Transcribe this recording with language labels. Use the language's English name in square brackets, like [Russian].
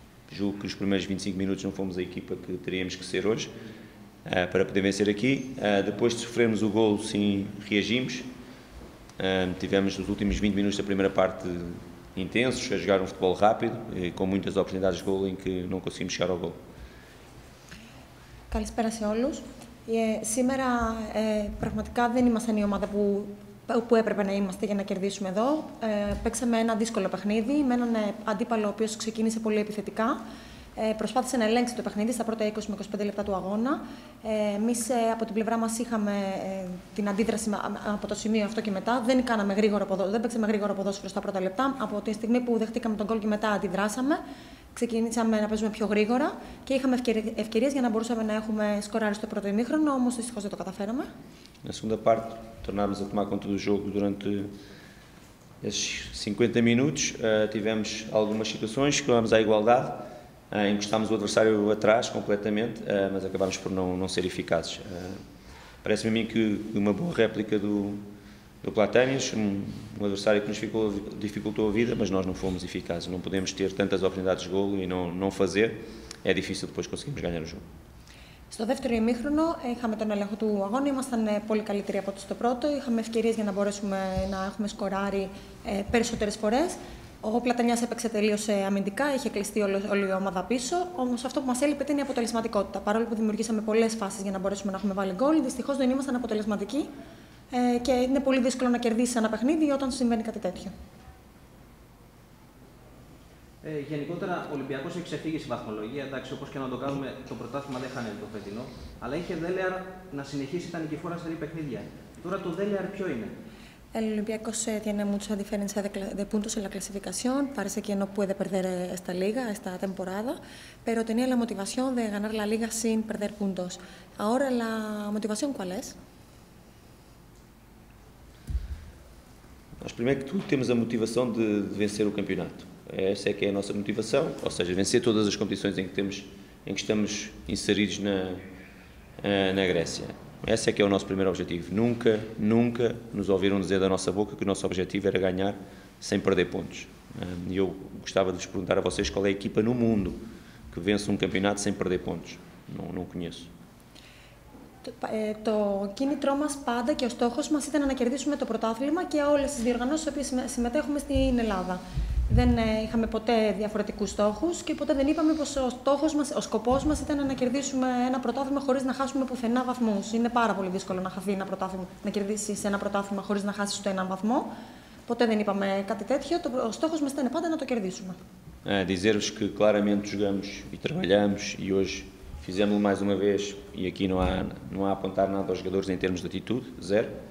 [Portuguese] Julgo que os primeiros 25 minutos não fomos a equipa que teríamos que ser hoje para poder vencer aqui. Depois de sofrermos o golo, sim, reagimos. Tivemos os últimos 20 minutos da primeira parte intensos, a jogar um futebol rápido e com muitas oportunidades de golo em que não conseguimos chegar ao golo. [Greek] Καλησπέρα σε όλους. Σήμερα πραγματικά δεν ήμασταν η ομάδα που έπρεπε να είμαστε για να κερδίσουμε εδώ. Παίξαμε ένα δύσκολο παιχνίδι με έναν αντίπαλο ο οποίος ξεκίνησε πολύ επιθετικά. Προσπάθησε να ελέγξει το παιχνίδι στα πρώτα 20 με 25 λεπτά του αγώνα. Εμείς από την πλευρά μας είχαμε την αντίδραση από το σημείο αυτό και μετά. Δεν κάναμε γρήγορο ποδόσφαιρο, δεν παίξαμε γρήγορο ποδόσφαιρο στα πρώτα λεπτά. Από τη στιγμή που δεχτήκαμε τον γκολ και μετά αντιδράσαμε. Ξεκινήσαμε να παίζουμε πιο γρήγορα και είχαμε ευκαιρίες για να μπορούσαμε να έχουμε σκοράρει στο πρώτο ημίχρονο, όμως δυστυχώς δεν το καταφέραμε. [Portuguese] Na segunda parte, tornámos a tomar conta do jogo durante esses 50 minutos. Tivemos algumas situações, chegámos à igualdade, encostámos o adversário atrás completamente, mas acabámos por não ser eficazes. Parece-me a mim que uma boa réplica do Platanias, um adversário que nos dificultou a vida, mas nós não fomos eficazes. Não podemos ter tantas oportunidades de golo e não fazer. É difícil depois conseguirmos ganhar o jogo. [Greek] Στο δεύτερο ημίχρονο είχαμε τον έλεγχο του αγώνα, ήμασταν πολύ καλύτεροι από ό,τι στο πρώτο. Είχαμε ευκαιρίες για να μπορέσουμε να έχουμε σκοράρει περισσότερες φορές. Ο Πλατανιάς έπαιξε τελείως αμυντικά, είχε κλειστεί όλη η ομάδα πίσω. Όμως αυτό που μας έλειπε ήταν η αποτελεσματικότητα. Παρόλο που δημιουργήσαμε πολλές φάσεις για να μπορέσουμε να έχουμε βάλει γκολ, δυστυχώς δεν ήμασταν αποτελεσματικοί. Και είναι πολύ δύσκολο να κερδίσει ένα παιχνίδι όταν συμβαίνει κάτι τέτοιο. Γενικότερα, ο Ολυμπιακός έχει ξεφύγει στη βαθμολογία. Εντάξει, όπως και να το κάνουμε, το πρωτάθλημα δεν χάνεται το φετινό. Αλλά είχε Δέλεαρ να συνεχίσει τα νικηφόρα σε τρία παιχνίδια. Τώρα το Δέλεαρ ποιο είναι? [Spanish] El Olympiaco tiene mucha diferencia de puntos en la clasificación. Parece que no puede perder esta liga, esta temporada, pero tenía la motivación de ganar la liga sin perder puntos. Ahora, ¿la motivación cuál es? [Portuguese] Nós, primeiro que tudo, temos a motivação de vencer o campeonato. Essa é que é a nossa motivação, ou seja, vencer todas as competições em que estamos inseridos na Grécia. Esse é que é o nosso primeiro objetivo. Nunca, nunca nos ouviram dizer da nossa boca que o nosso objetivo era ganhar sem perder pontos. E eu gostava de vos perguntar a vocês qual é a equipa no mundo que vence um campeonato sem perder pontos. Não conheço. [Greek] Το κίνητρό μας πάντα και ο στόχος μας ήταν να κερδίσουμε το πρωτάθλημα και όλες τις διοργανώσεις που συμμετέχουμε στην Ελλάδα. Δεν είχαμε ποτέ διαφορετικούς στόχους και ποτέ δεν είπαμε πως ο στόχος μας, ο σκοπός μας ήταν να κερδίσουμε ένα πρωτάθλημα χωρίς να χάσουμε πουθενά βαθμούς. Είναι πάρα πολύ δύσκολο να χαθεί ένα πρωτάθλημα, να κερδίσεις ένα πρωτάθλημα χωρίς να χάσεις το έναν βαθμό. Ποτέ δεν είπαμε κάτι τέτοιο. Ο στόχος μας ήταν πάντα να το κερδίσουμε. [Portuguese] Dizer-vos que claramente jogamos e trabalhamos e hoje fizemos mais uma vez, e aqui não há a apontar nada aos jogadores em termos de atitude, zero.